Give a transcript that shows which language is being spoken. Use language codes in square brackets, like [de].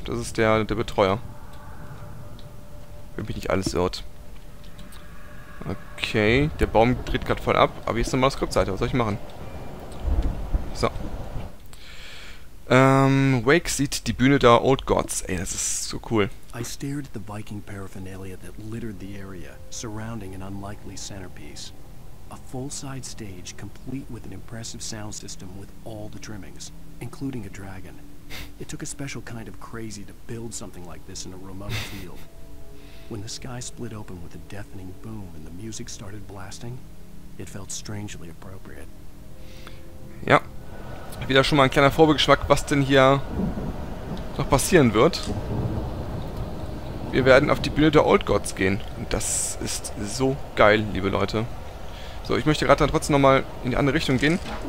[de] Das ist der Betreuer. Wenn mich nicht alles irrt. Okay, der Baum dreht gerade voll ab. Aber hier ist nochmal die Skriptseite. Was soll ich machen? So. Wake sieht die Bühne der Old Gods. Ey, das ist so cool. [en] I stared at the Viking paraphernalia that littered the area, surrounding an unlikely centerpiece. A full-side stage, complete with an impressive sound system with all the trimmings, including a dragon. It took a special kind of crazy to build something like this in a remote field. When the sky split open with a deafening boom and the music started blasting, it felt strangely appropriate. [de] Ja, wieder schon mal ein kleiner Vorgeschmack, was denn hier noch passieren wird. Wir werden auf die Bühne der Old Gods gehen. Und das ist so geil, liebe Leute. So, ich möchte gerade dann trotzdem nochmal in die andere Richtung gehen.